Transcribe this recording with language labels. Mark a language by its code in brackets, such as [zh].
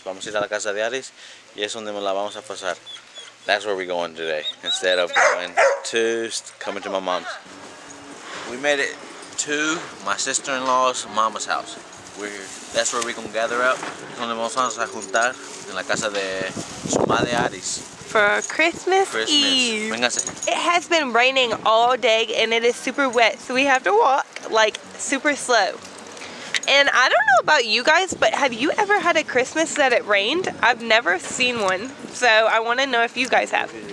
[es] Vamos a ir a la casa de Ari's, y es donde la vamos a pasar. [en] That's where we're going today, instead of coming to my mom's. We made it to my sister-in-law's mama's house. That's where we're gonna gather up. [es] Es donde vamos a juntar, en la casa de su madre Ari's. [en] For Christmas Eve. [es] Véngase. [en] It has been raining all day, and it is super wet, so we have to walk, like, super slow. And I don't know about you guys, but have you ever had a Christmas that it rained? I've never seen one, so I want to know if you guys have.